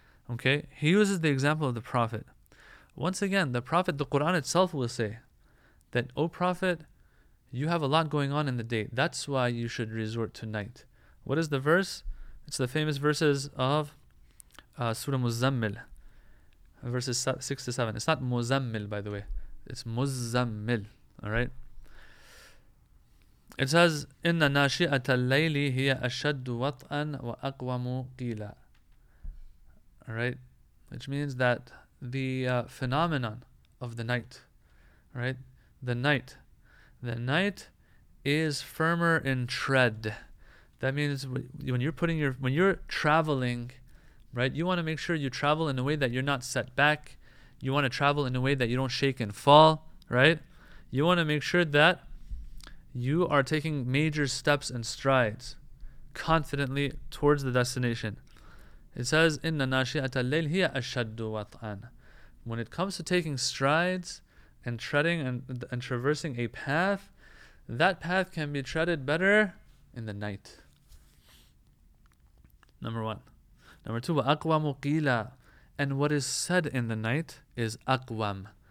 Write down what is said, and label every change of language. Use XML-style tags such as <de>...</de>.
<en>Okay, he uses the example of the Prophet. Once again, the Prophet, the Quran itself will say that, O Prophet, you have a lot going on in the day. That's why you should resort to night. What is the verse? It's the famous verses of Surah Muzammil. Verses 6 to 7. It's not Muzammil, by the way. It's Muzammil. Alright?</en> <ar>It says, إِنَّ نَاشِئَةَ اللَّيْلِ هِيَ أَشَدُّ وَطْأً وَأَقْوَمُ قِيلًا.</ar> <en>Alright? Which means that the phenomenon of the night, right? The night is firmer in tread. That means when you're traveling, right, you want to make sure you travel in a way that you're not set back. You want to travel in a way that you don't shake and fall, right? You want to make sure that you are taking major steps and strides confidently towards the destination.</en> <ar>It says, إِنَّ نَاشِئَةَ اللَّيْلِ هِيَ أَشَدُّ وَطْعًا.</ar> <en>When it comes to taking strides and treading and traversing a path, that path can be treaded better in the night. Number one. Number two,</en> <ar>وَأَقْوَمُ قِيلًا.</ar> <en>And what is said in the night is أَقْوَم.</en>